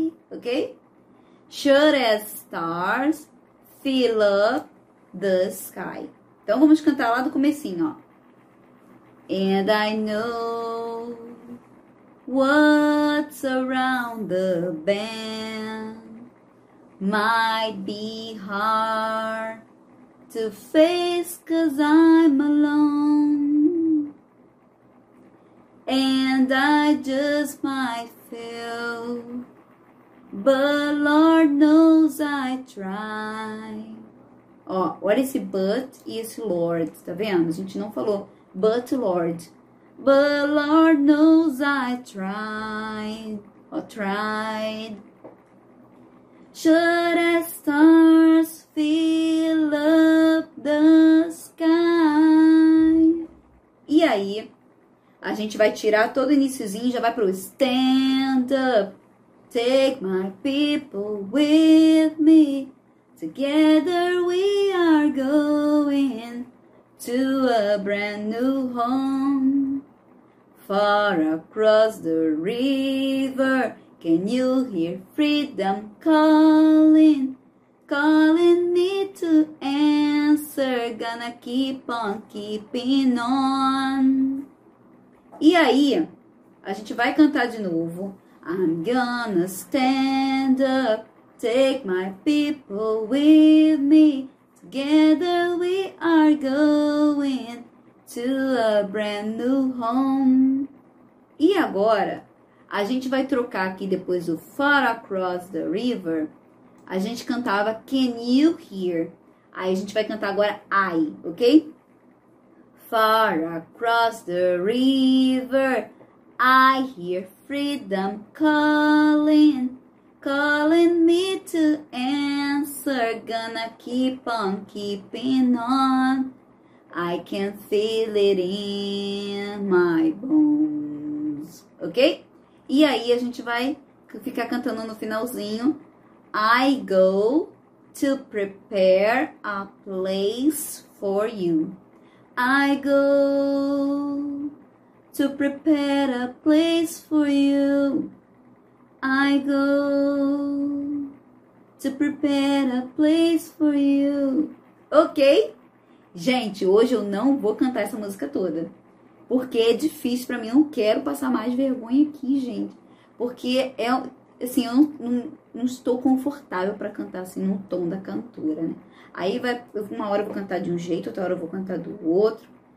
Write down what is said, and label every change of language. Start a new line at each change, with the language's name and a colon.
English: Ok? Sure as stars fill up the sky.
Portuguese: Então vamos cantar lá do comecinho, ó.
English: And I know what's around the bend might be hard to face, 'cause I'm alone. And I just might fail, but Lord knows I try.
Portuguese: Ó, olha esse but e esse Lord, tá vendo? A gente não falou
English: but Lord. But Lord knows I tried, ó, tried. Should as stars fill up the sky.
Portuguese: E aí, a gente vai tirar todo o iniciozinho, já vai pro stand up.
English: Take my people with me. Together we are going to a brand new home. Far across the river. Can you hear freedom calling? Calling me to answer. Gonna keep on keeping on.
Portuguese: E aí, a gente vai cantar de novo.
English: I'm gonna stand up, take my people with me. Together we are going to a brand new home.
Portuguese: E agora? A gente vai trocar aqui depois do Far Across the River. A gente cantava Can You Hear? Aí a gente vai cantar agora I, ok?
English: Far across the river, I hear freedom calling, calling me to answer. Gonna keep on keeping on. I can feel it in my bones, ok?
Portuguese: E aí, a gente vai ficar cantando no finalzinho.
English: I go to prepare a place for you. I go to prepare a place for you. I go to prepare a place for you. Ok?
Portuguese: Gente, hoje eu não vou cantar essa música toda. Porque é difícil pra mim. Eu não quero passar mais vergonha aqui, gente. Porque é... Assim, eu não estou confortável para cantar assim no tom da cantora, né? Aí vai, uma hora eu vou cantar de um jeito, outra hora eu vou cantar do outro.